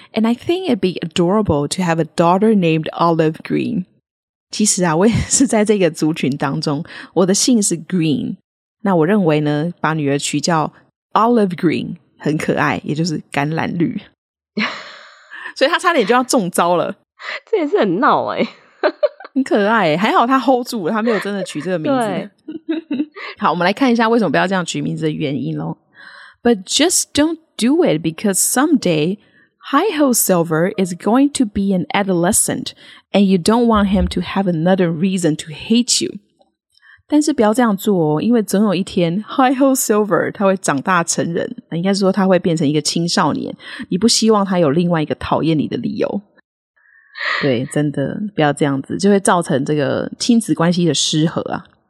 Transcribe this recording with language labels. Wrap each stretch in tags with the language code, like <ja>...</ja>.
<en>And I think it'd be adorable to have a daughter named Olive Green.</en> <zh>其实啊，我也是在这个族群当中，我的姓是 Green。那我认为呢，把女儿取叫 Olive Green 很可爱，也就是橄榄绿。所以她差点就要中招了。这也是很闹欸。很可爱欸，还好她 hold 住了，她没有真的取这个名字。好，我们来看一下为什么不要这样取名字的原因咯。</zh> <en>But just don't do it because someday Hi-Ho Silver is going to be an adolescent and you don't want him to have another reason to hate you.</en> <zh>但是不要这样做哦，因为总有一天 Hi-Ho Silver 他会长大成人，应该是说他会变成一个青少年，你不希望他有另外一个讨厌你的理由。对，真的不要这样子，就会造成这个亲子关系的失和啊。</zh>